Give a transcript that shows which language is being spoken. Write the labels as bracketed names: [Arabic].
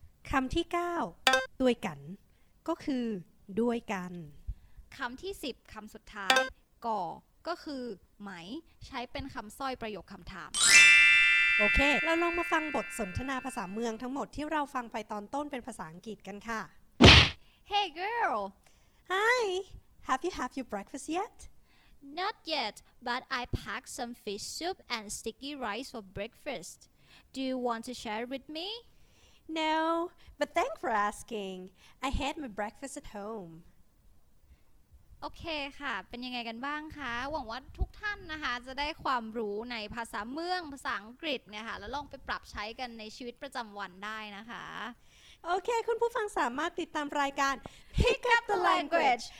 [Thai] คำที่9ด้วยกันก็คือด้วยกัน คำที่10คำสุดท้ายก่อก็คือไหมใช้เป็นคำสร้อยประโยคคำถาม โอเคเราลองมาฟังบทสนทนาภาษาเมืองทั้งหมดที่เราฟังไปตอนต้นเป็นภาษาอังกฤษกันค่ะ [English] Hey girl Hi Have you had your breakfast yet? Not yet, but I packed some fish soup and sticky rice for breakfast. Do you want to share with me? No, but thanks for asking. I had my breakfast at home [Thai] โอเคค่ะเป็นยังไงกันบ้างคะหวังว่าทุกท่านนะคะจะได้ความรู้ในภาษาเมืองภาษาอังกฤษเนี่ยค่ะแล้วลองไปปรับใช้กันในชีวิตประจำวันได้นะคะ โอเคคุณผู้ฟังสามารถติดตามรายการ [English] Pick up the language